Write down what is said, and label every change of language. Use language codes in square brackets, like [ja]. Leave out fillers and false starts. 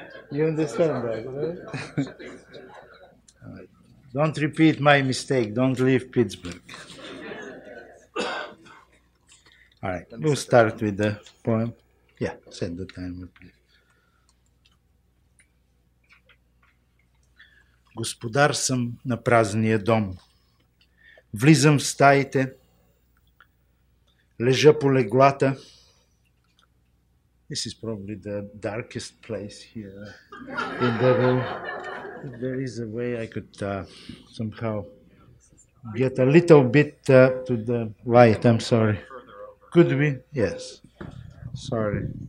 [en] You understand that, right? Don't repeat my mistake. Don't leave Pittsburgh. All right, we'll start with the poem. Yeah, set the timer, please. [bg] Господар съм на празния дом. Влизам в стаите, лежа по леглата. [en] This is probably the darkest place here in the room. There is a way I could somehow get a little bit to the light. I'm sorry. Could we? Yes. Sorry.